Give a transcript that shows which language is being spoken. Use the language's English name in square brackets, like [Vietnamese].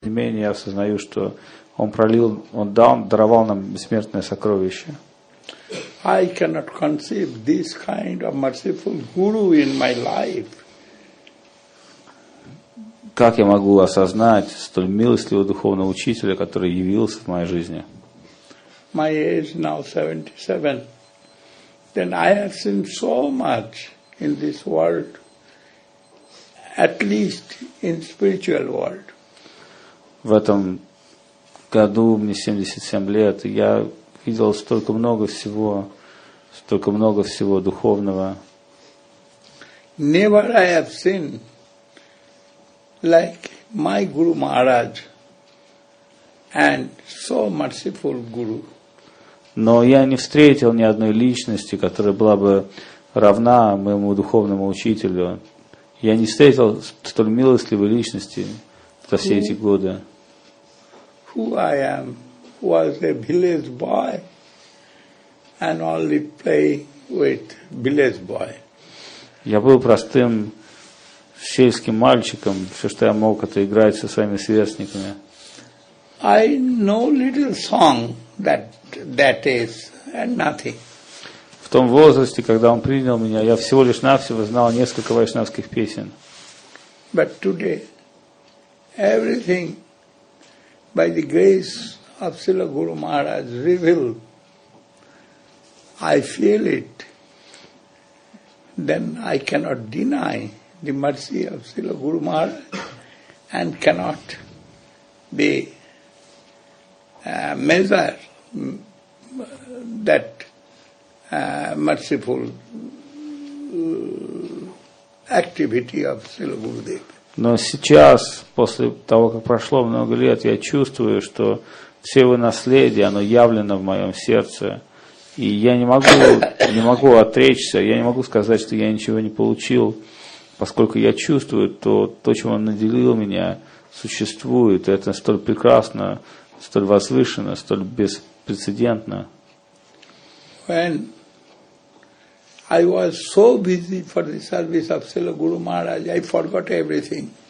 [Russian] не менее я осознаю, что Он пролил, Он дал, даровал нам бессмертное сокровище. [English] I cannot conceive this kind of merciful guru in my life. [Russian] Как я могу осознать столь милостивого духовного учителя, который явился в моей жизни? [English] My age now 77. Then I have seen so much in this world, at least in spiritual world. [Russian] В этом году мне 77 лет, я видел столько много всего духовного. [English] Never I have seen like my Guru Maharaj and so merciful Guru. [Russian] Но я не встретил ни одной личности, которая была бы равна моему духовному учителю. Я не встретил столь милостливой личности за все эти годы. [English] Who I am was a village boy and only play with village boy. [Russian] Я был простым сельским мальчиком, все, что я мог, это играть со своими сверстниками. [English] I know little song that is and nothing. [Russian] В том возрасте, когда он принял меня, я всего лишь навсего знал несколько вайшнавских песен. [English] But today everything by the grace of Srila Guru Maharaj revealed, I feel it, then I cannot deny the mercy of Srila Guru Maharaj and cannot be measure that merciful activity of Srila Gurudev. [Russian] Но сейчас, после того, как прошло много лет, я чувствую, что все его наследие, оно явлено в моем сердце. И я не могу отречься, я не могу сказать, что я ничего не получил, поскольку я чувствую, что то, чем он наделил меня, существует. Это столь прекрасно, столь возвышенно, столь беспрецедентно. [English] When I was so busy for the service of Srila Guru Maharaj, I forgot everything.